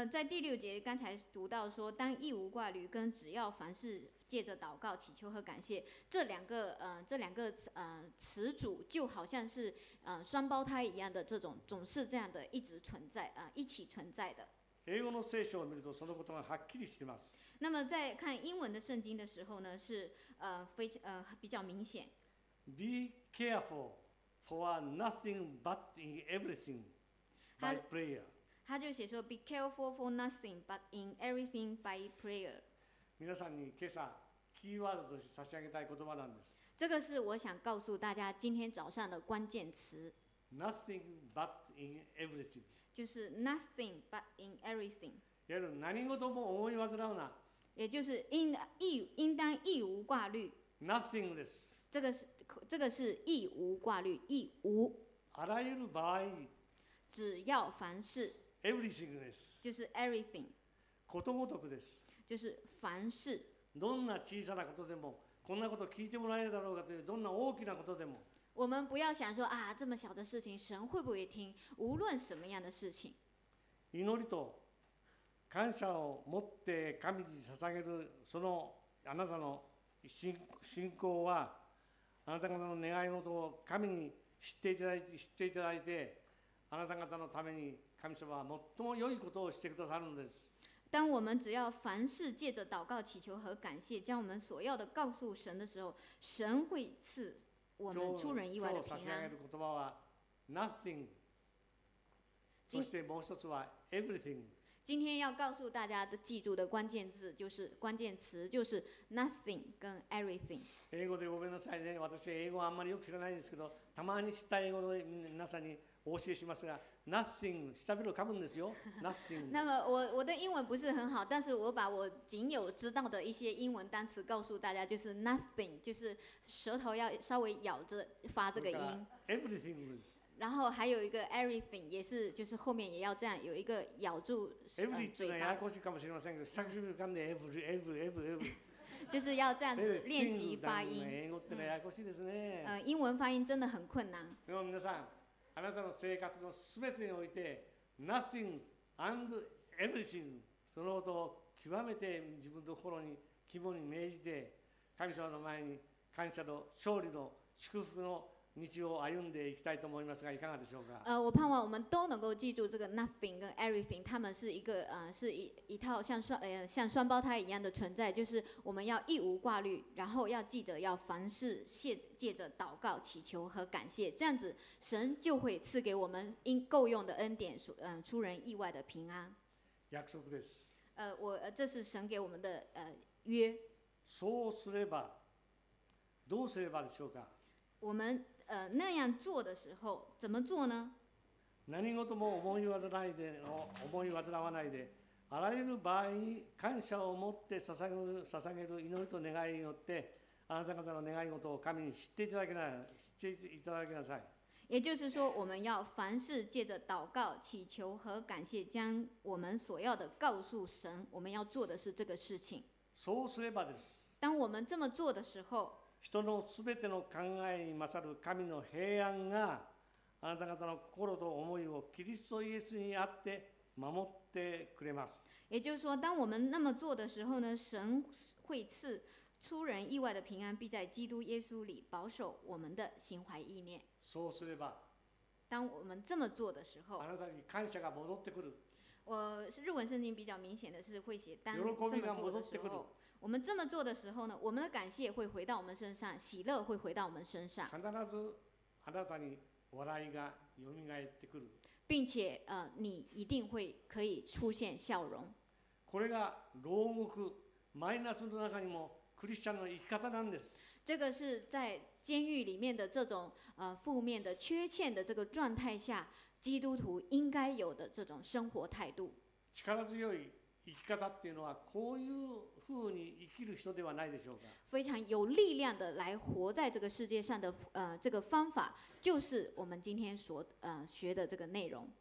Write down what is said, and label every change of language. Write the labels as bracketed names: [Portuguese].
[Chinese] 在第六节刚才读到说，当一无挂虑跟只要凡事借着祷告、祈求和感谢这两个词组，就好像是双胞胎一样的这种，总是这样的一直存在一起存在的。 [Japanese] 英語の聖書を見るとそのことがはっきりしています。 [Chinese] 那么在看英文的圣经的时候呢，是比较明显。 [English] Be careful for nothing but in everything by prayer。 [Chinese] 他就写说 ， [English] Be careful for nothing but in everything by prayer。 [Japanese] 皆さんに今朝キーワードとして差し上げたい言葉なんです。 [Chinese] 这个是我想告诉大家今天早上的关键词。 [English] Nothing but in everything。 [Chinese] 就是 [English] nothing but in everything。 [Japanese] やる何事も思い煩うな。 [Chinese] 也就是应当一无挂虑。 [Japanese] Nothing です。 [Chinese] 这个是一无挂虑，一无。 [Japanese] あらゆる場合。 [Chinese] 只要凡事。 [Japanese] Everything です。 [Chinese] 就是 everything。 [Japanese] ことごとくです。 [Chinese] 就是凡事。 [Japanese] どんな小さなことでも、こんなこと聞いてもらえるだろうかという、どんな大きなことでも。 [Chinese] 我们不要想说啊，这么小的事情，神会不会听？无论什么样的事情。 [Japanese] 祈りと感謝を持って神に捧げる、そのあなたの信仰は、あなた方の願い事を神に知っていただいて、あなた方のために神様は最も良いことをしてくださるのです。 [Chinese] 当我们只要凡事借着祷告、祈求和感谢，将我们所要的告诉神的时候，神会赐我们出人意外的平安。 [Japanese] 今日差し上げる言葉は nothing。そしてもう一つは everything。 [Chinese] 今天要告诉大家的记住的关键字就是关键词就是 nothing 跟 everything。 [Japanese] 英語でごめんなさいね、私英語あんまりよく知らないんですけど、たまに知った英語で皆さんにお教えしますが。 Nothing, 下辺を噛むんですよ。 [English] Nothing. [Chinese] 那么我的英文不是很好，但是我把我仅有知道的一些英文单词告诉大家，就是 nothing， 就是舌头要稍微咬着发这个音。 [English] Everything. [Chinese] 然后还有一个 everything， 也是就是后面也要这样有一个咬住 [English] every, [Chinese] 嘴巴。 [Japanese] Everything 呢，ややこしいかもしれませんけど、下辺を噛んで every。 [Chinese] 就是要这样子练习发音。 [Japanese] 英語ってややこしいですね。 [Chinese] 英文发音真的很困难。 [Japanese] でも皆さん。あなたの生活のすべてにおいて、 [English] nothing and everything、 [Japanese] そのことを極めて自分の心に肝に銘じて、神様の前に感謝の勝利の祝福の道を歩んでいきたいと思いますが、いかがでしょうか。 [Chinese] 我盼望我们都能够记住这个 nothing 跟 everything， 他们是一个是 一套像双胞胎一样的存在，就是我们要一无挂虑，然后要记着要凡事借着祷告、祈求和感谢，这样子神就会赐给我们应够用的恩典，出人意外的平安。 [Japanese] 約束です。 [Chinese] 这是神给我们的约。 [Japanese] そうすればどうすればでしょうか。 [Chinese] 我们那样做的时候怎么做呢？ [Japanese] 何事も思い煩わないで、あらゆる場合に感謝を持って捧げる祈りと願いによって、あなた方の願い事を神に知っていただきなさい。 [Chinese] 也就是说，我们要凡事借着祷告、祈求和感谢，将我们所要的告诉神。我们要做的是这个事情。 [Japanese] そうすればです。 [Chinese] 当我们这么做的时候， [Japanese] 人のすべての考えに勝る神の平安が、あなた方の心と思いをキリストイエスにあって守ってくれます。 [Chinese] 也就是说，当我们那么做的时候呢，神会赐出人意外的平安，必在基督耶稣里保守我们的心怀意念。 [Japanese] そうすれば、 [Chinese] 当我们这么做的时候， [Japanese] あなたに感謝が戻ってくる。 [Chinese] 我是日文圣经比较明显的是会写，当这么做的时候， [Japanese] 喜びが戻ってくる。 [Chinese] 我们这么做的时候呢，我们的感谢会回到我们身上，喜乐会回到我们身上。 [Japanese] 必ずあなたに笑いが蘇ってくる。 [Chinese] 并且你一定会可以出现笑容。 [Japanese] これが牢獄マイナスの中にもクリスチャンの生き方なんです。 [Chinese] 这个是在监狱里面的这种负面的缺欠的这个状态下，基督徒应该有的这种生活态度。 [Japanese] 力強い生き方っていうのはこういう風に生きる人ではないでしょうか。 [Chinese] 非常有力量的来活在这个世界上的这个方法，就是我们今天所学的这个内容。